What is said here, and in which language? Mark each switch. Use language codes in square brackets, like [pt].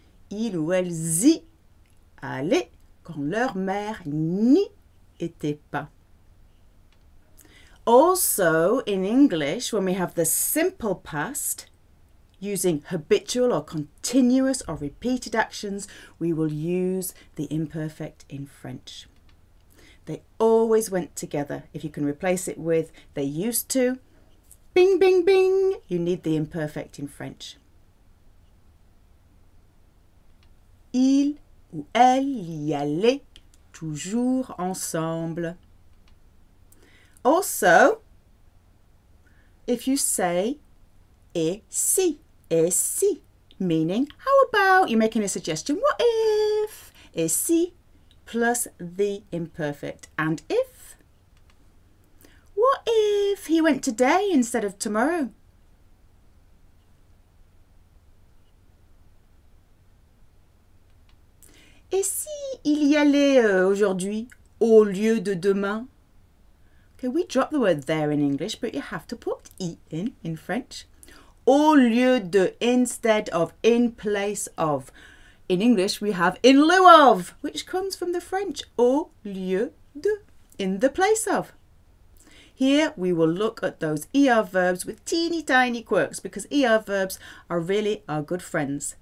[fr] Ils ou elles y allaient quand leur mère n'y était pas. [en] Also, in English, when we have the simple past, using habitual or continuous or repeated actions, we will use the imperfect in French. They always went together. If you can replace it with they used to, bing, bing, bing, you need the imperfect in French. [fr] Il ou elle y allait toujours ensemble. [en] Also, if you say, et si, meaning, how about, you're making a suggestion, what if, et si, plus the imperfect, and if. What if he went today instead of tomorrow? [fr] Et si il y allait aujourd'hui au lieu de demain? [en] Okay, we drop the word there in English, but you have to put I in French. [fr] Au lieu de, [en] instead of, in place of. In English, we have in lieu of, which comes from the French. [fr] Au lieu de, [en] in the place of. Here, we will look at those ER verbs with teeny tiny quirks because ER verbs are really our good friends.